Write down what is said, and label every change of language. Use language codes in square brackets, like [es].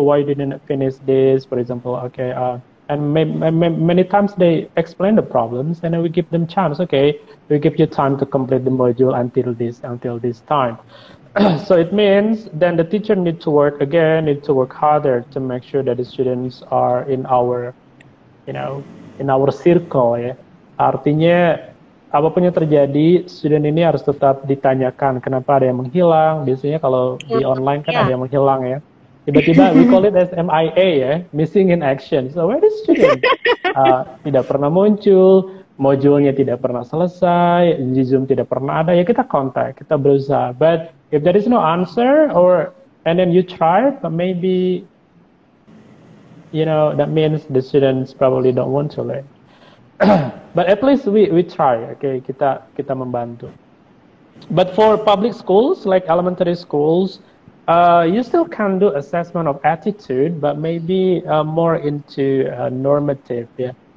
[en] Why you didn't finish this, for example, okay? And many times they explain the problems, and then we give them chance, okay, we give you time to complete the module until this time. So it means then the teacher need to work again, need to work harder to make sure that the students are in our, you know, in our circle, ya. [id] Artinya, apapun yang terjadi, student ini harus tetap ditanyakan kenapa ada yang menghilang. Biasanya kalau di online kan ada yang menghilang, ya. Tiba-tiba, [en] we call it as MIA, ya, missing in action. So, where is student? [id] Tidak pernah muncul, modulnya tidak pernah selesai, di Zoom tidak pernah ada, ya kita kontak, kita berusaha. [en] But if there is no answer, or and then you try, but maybe, you know, that means the students probably don't want to learn. But at least we try, okay, [id] kita membantu. [en] But for public schools, like elementary schools, you still can do assessment of attitude, but maybe more into normative, ya. Yeah.